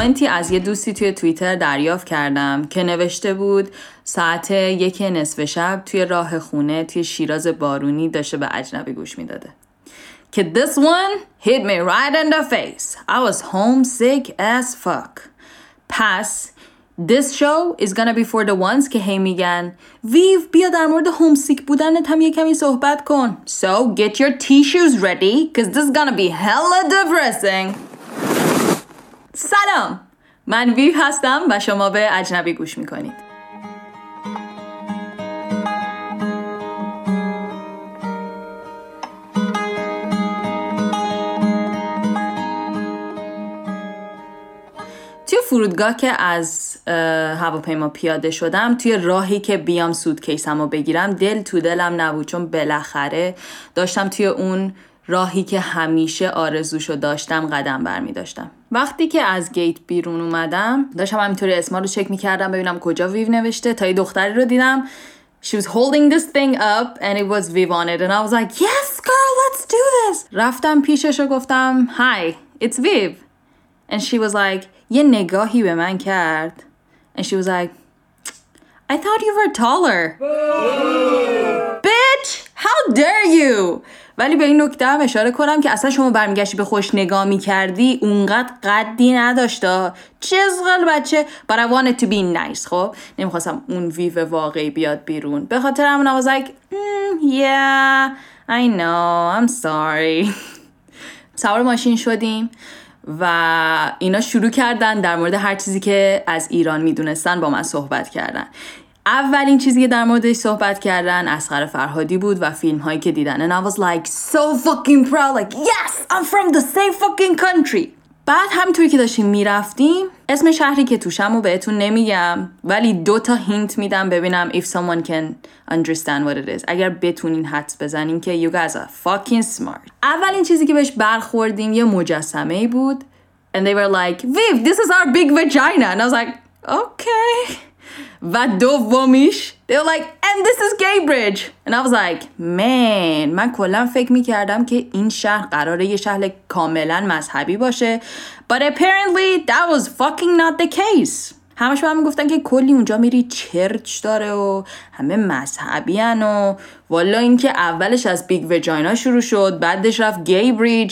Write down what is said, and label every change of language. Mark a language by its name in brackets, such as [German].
[Persian] از یه دوستی توی توییتر دریافت کردم که نوشته بود ساعت 1:30 شب توی راه خونه توی شیراز بارونی داشته به اجنبی گوش میداده که [English] this one hit me right in the face. I was homesick as fuck. [Persian] پس [English] this show is gonna be for the ones [Persian] که هی میگن ویو بیا در مورد homesick بودنت هم یه کمی صحبت کن. [English] So get your tissues ready because this is gonna be hella depressing. [Persian] سلام، من ویو هستم و شما به اجنبی گوش میکنید. توی فرودگاه که از هواپیما پیاده شدم، توی راهی که بیام سوتکیسم رو بگیرم، دل تو دلم نبود، چون بالاخره داشتم توی اون راهی که همیشه آرزوشو داشتم قدم برمی داشتم. وقتی که از گیت بیرون اومدم داشتم همینطوری اسما رو چک میکردم ببینم کجا ویو نوشته، تا یه دختری رو دیدم. [English] She was holding this thing up and it was Viv on it and I was like yes girl let's do this. [Persian] رفتم پیشش و گفتم [English] hi it's Viv and she was like [Persian] یه نگاهی به من کرد [English] and she was like I thought you were taller. Bitch how dare you. [Persian] ولی به این نکته هم اشاره کنم که اصلا شما برمیگشتی به خوش نگاه میکردی اونقدر قدی نداشته، چزغل بچه. [English] But I wanted to be nice. [Persian] خب نمیخواستم اون ویو واقعی بیاد بیرون، به خاطر همون [English] I was like yeah I know I'm sorry. [Persian] سوار ماشین شدیم و اینا شروع کردن در مورد هر چیزی که از ایران میدونستن با من صحبت کردن. اولین چیزی که در موردش صحبت کردن اصغر فرهادی بود و فیلم‌هایی که دیدن. [English] And I was like so fucking proud, like yes, I'm from the same fucking country. [Persian] بعد همینطوری که داشتیم میرفتیم، اسم شهری که توشم رو بهتون نمیگم، ولی دوتا هینت میدم ببینم [English] if someone can understand what it is. [Persian] اگر بتونین حدس بزنین که [English] you guys are fucking smart. [Persian] اولین چیزی که بهش برخوردیم یه مجسمه بود. [English] And they were like, Viv, this is our big vagina. And I was like, okay. [Persian] و دومیش [English] they were like and this is gay bridge and I was like man. [Persian] من کلن فکر میکردم که این شهر قراره یه شهر کاملا مذهبی باشه، [English] but apparently that was fucking not the case. [Persian] همش با هم میگفتن که کلی اونجا میری چرچ داره و همه مذهبی هن و والا اینکه اولش از بیگ وجاینا شروع شد بعدش رفت gay bridge.